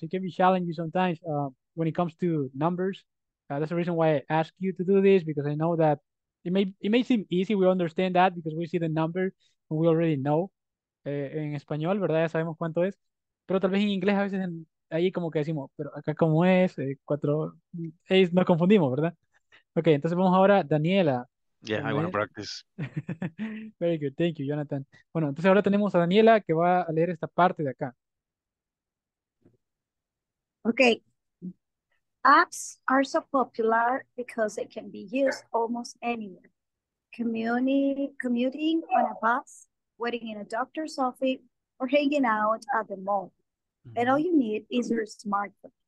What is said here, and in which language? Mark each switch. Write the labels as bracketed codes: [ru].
[en] It can be challenging sometimes when it comes to numbers. That's the reason why I ask you to do this, because I know that it may seem easy. We understand that because we see the number and we already know. [es] En español, ¿verdad? Ya sabemos cuánto es. Pero tal vez en inglés a veces ahí como que decimos, pero acá cómo es, cuatro, seis, nos confundimos, ¿verdad? Okay, entonces vamos ahora, Daniela. [en] Yeah, ¿verdad? I want to practice. Very good, thank you, Jonathan. [es] Bueno, entonces ahora tenemos a Daniela que va a leer esta parte de acá. [en] Okay. Apps are so popular because they can be used almost anywhere. Commuting on a bus, waiting in a doctor's office, or hanging out at the mall. Mm-hmm. And all you need is your smartphone.